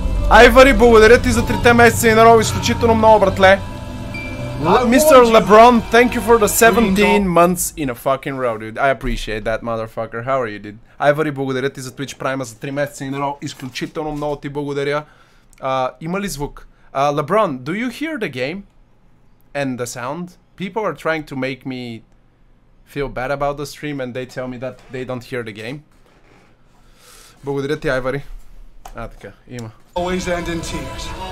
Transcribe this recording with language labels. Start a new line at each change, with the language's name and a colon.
Bulgarian: Айвари, благодаря ти за 3-те месеца и народ, изключително много, братле.
English: Мистер Леброн, thank you for the 17 months in a fucking row, dude. I appreciate that, motherfucker. How are you, dude?
Bulgarian: Айвари, благодаря ти за Twitch Prime за 3 месеца и народ, изключително много ти благодаря. Има ли звук?
English: Леброн, do you hear the game? And the sound? People are trying to make me feel bad about the stream and they tell me that they don't hear the game.
Bulgarian: Благодаря ти, Айвари. А, така, има.
English: Always end in tears.